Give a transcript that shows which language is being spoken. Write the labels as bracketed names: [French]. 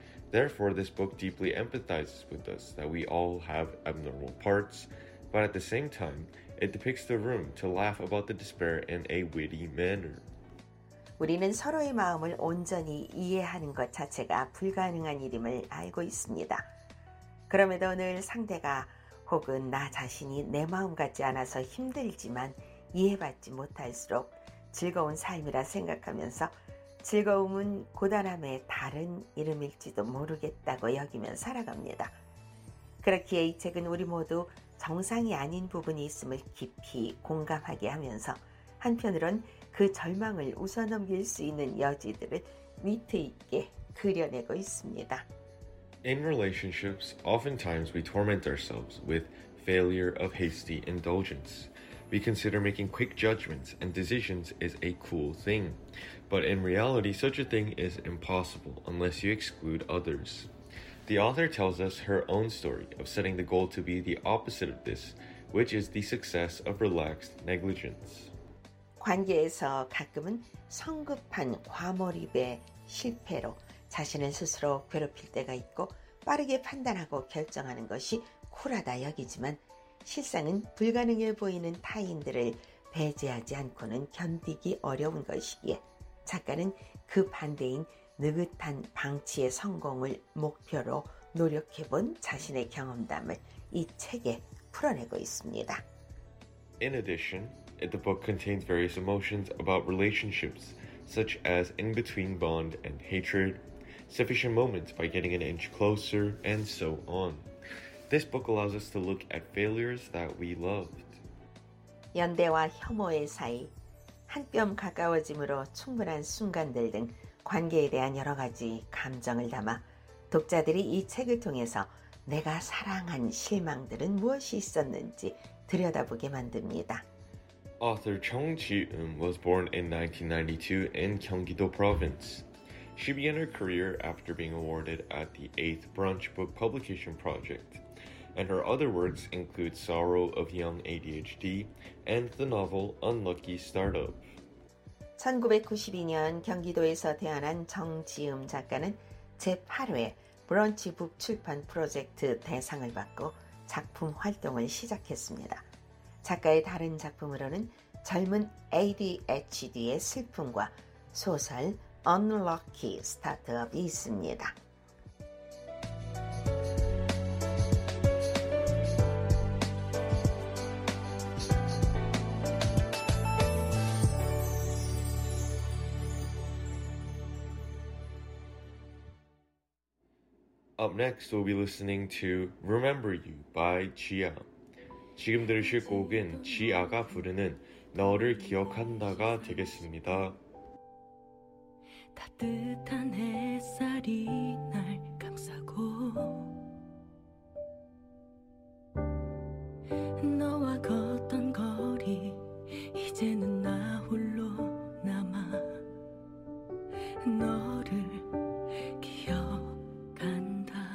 [English] Therefore, this book deeply empathizes with us that we all have abnormal parts, but at the same time, it depicts the room to laugh about the despair in a witty manner. [Korean] 우리는 서로의 마음을 온전히 이해하는 것 자체가 불가능한 일임을 알고 있습니다. 그럼에도 늘 상대가 혹은 나 자신이 내 마음 같지 않아서 힘들지만 이해받지 못할수록 즐거운 삶이라 생각하면서 즐거움은 고단함의 다른 이름일지도 모르겠다고 여기면 살아갑니다. 그렇기에 이 책은 우리 모두 정상이 아닌 부분이 있음을 깊이 공감하게 하면서 한편으론 그 절망을 웃어넘길 수 있는 여지들을 위트 있게 그려내고 있습니다. [English] In relationships, oftentimes we torment ourselves with failure of hasty indulgence. We consider making quick judgments and decisions is a cool thing. But in reality, such a thing is impossible unless you exclude others. The author tells us her own story of setting the goal to be the opposite of this, which is the success of relaxed negligence. [Korean] 관계에서 가끔은 성급한 과몰입의 실패로 자신을 스스로 괴롭힐 때가 있고 빠르게 판단하고 결정하는 것이 쿨하다 여기지만 실상은 불가능해 보이는 타인들을 배제하지 않고는 견디기 어려운 것이기에 작가는 그 반대인 느긋한 방치의 성공을 목표로 노력해본 자신의 경험담을 이 책에 풀어내고 있습니다. [English] In addition, the book contains various emotions about relationships, such as in-between bond and hatred, sufficient moments by getting an inch closer, and so on. This book allows us to look at failures that we loved. [Korean] 연대와 혐오의 사이, 한뼘 가까워짐으로 충분한 순간들 등 관계에 대한 여러 가지 감정을 담아 독자들이 이 책을 통해서 내가 사랑한 실망들은 무엇이 있었는지 들여다보게 만듭니다. [English] Author Chung Chi-eun was born in 1992 in Gyeonggi-do Province. She began her career after being awarded at the 8th Brunch Book Publication Project, and her other works include Sorrow of Young ADHD and the novel Unlucky Startup. [Korean] 1992년 경기도에서 태어난 정지음 작가는 제8회 브런치 북 출판 프로젝트 대상을 받고 작품 활동을 시작했습니다. 작가의 다른 작품으로는 젊은 ADHD의 슬픔과 소설 Unlucky Startup이 있습니다. [English] Up next, we'll be listening to Remember You by Gia. [Korean] 지금 들으실 곡은 지아가 부르는 너를 기억한다가 되겠습니다. 따뜻한 햇살이 날 감싸고 너와 걷던 거리 이제는 나 홀로 남아 너를 기억한다